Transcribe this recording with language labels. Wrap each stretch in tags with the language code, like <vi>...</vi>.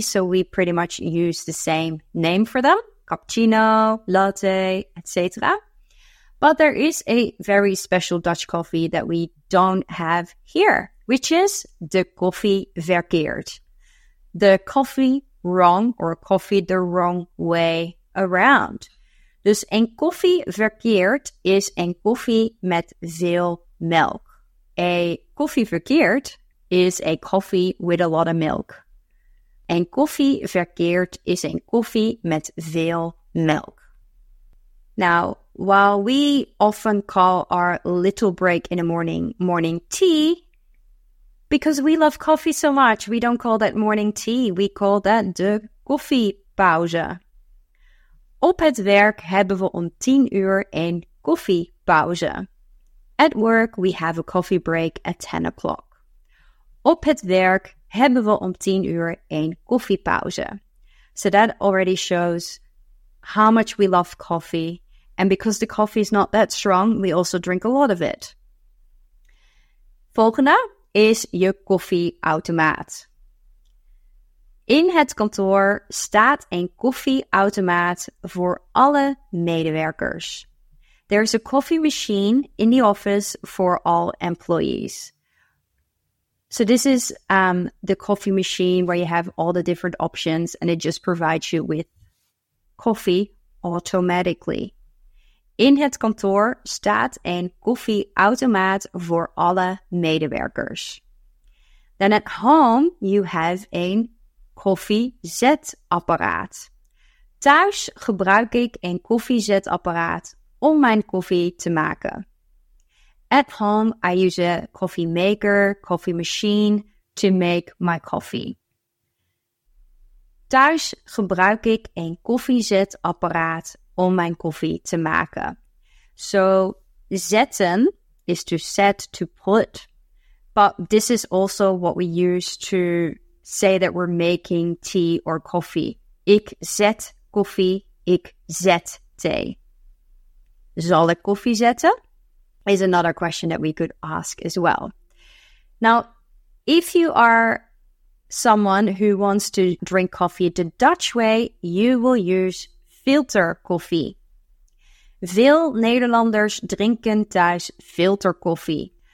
<en>So we pretty much use the same name for them. Cappuccino, latte, etc. But there is a very special Dutch coffee that we don't have here, which is de koffie verkeerd. The coffee wrong or coffee the wrong way around.</en> <nl>Dus een koffie verkeerd is een koffie met veel melk.</nl> <en>A koffie verkeerd is a coffee with a lot of milk.</en> <nl>Een koffie verkeerd is een koffie met veel melk.</nl> <en>Now, while we often call our little break in the morning tea, because we love coffee so much, we don't call that morning tea. We call that de koffiepauze.</en> <nl>Op het werk hebben we om 10 uur een koffiepauze.</nl> <en>At work, we have a coffee break at 10 o'clock.</en> <nl>Op het werk hebben we om 10 uur een koffiepauze.</nl> <en>So that already shows how much we love coffee. And because the coffee is not that strong, we also drink a lot of it.</en> <nl>Volgende is je koffieautomaat. In het kantoor staat een koffieautomaat voor alle medewerkers.</nl> <en>There's a coffee machine in the office for all employees. So this is the coffee machine where you have all the different options and it just provides you with coffee automatically.</en> <nl>In het kantoor staat een koffieautomaat voor alle medewerkers.</nl> <en>Then at home you have een koffiezetapparaat.</en> <nl>Thuis gebruik ik een koffiezetapparaat om mijn koffie te maken.</nl> <en>At home, I use a coffee maker, coffee machine to make my coffee.</en> <nl>Thuis gebruik ik een koffiezetapparaat om mijn koffie te maken.</nl> <en>So, zetten is to set, to put. But this is also what we use to say that we're making tea or coffee.</en> <nl>Ik zet koffie, ik zet thee. Zal ik koffie zetten?</nl> <en>Is another question that we could ask as well. Now, if you are someone who wants to drink coffee the Dutch way, you will use filter coffee.</en> <nl>Veel Nederlanders drinken thuis filter coffee.</nl>